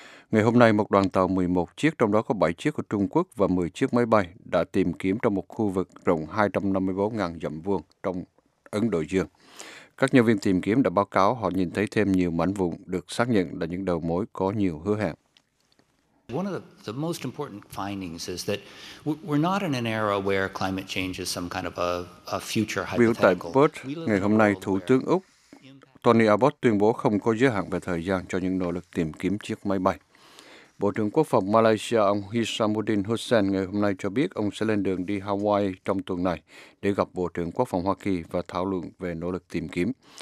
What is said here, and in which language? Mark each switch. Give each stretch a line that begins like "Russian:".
Vietnamese: Ngày hôm nay, một đoàn tàu 11 chiếc, trong đó có 7 chiếc của Trung Quốc và 10 chiếc máy bay, đã tìm kiếm trong một khu vực rộng 254.000 dặm vuông trong Ấn Độ Dương. Các nhân viên tìm kiếm đã báo cáo họ nhìn thấy thêm nhiều mảnh vụn được xác nhận là những đầu mối có nhiều hứa hẹn.
English: One of the most important findings is that we're not in an era where climate change is some kind of a future hypothetical.
Vietnamese: Tại Perth, ngày hôm nay, Thủ tướng Úc Tony Abbott tuyên bố không có giới hạn về thời gian cho những nỗ lực tìm kiếm chiếc máy bay. Bộ trưởng Quốc phòng Malaysia ông Hishamuddin Hussein ngày hôm nay cho biết ông sẽ lên đường đi Hawaii trong tuần này để gặp Bộ trưởng Quốc phòng Hoa Kỳ và thảo luận về nỗ lực tìm kiếm.